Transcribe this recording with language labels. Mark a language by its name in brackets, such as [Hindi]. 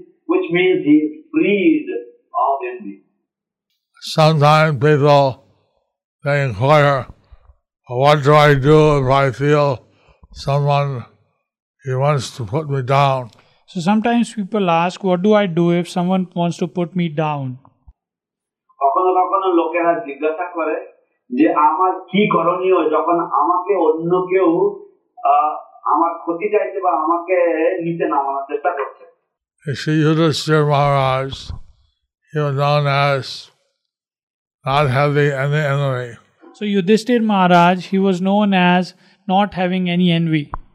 [English] Which means he is freed of envy. Sometimes people, they inquire, what do I do if I feel someone, he wants to put me down? So sometimes people ask, what do I do if someone wants to put me down? [Bangla] কখনো কখনো লোকেরা জিজ্ঞাসা করে যে আমার কি করণীয় যখন আমাকে অন্য কেউ আমার ক্ষতি চাইছে বা আমাকে নিচে নামানোর চেষ্টা করছে. [English] Shri Yudhisthira Maharaj, he was known as not having any envy. So Yudhisthira Maharaj, he was known as not having any envy.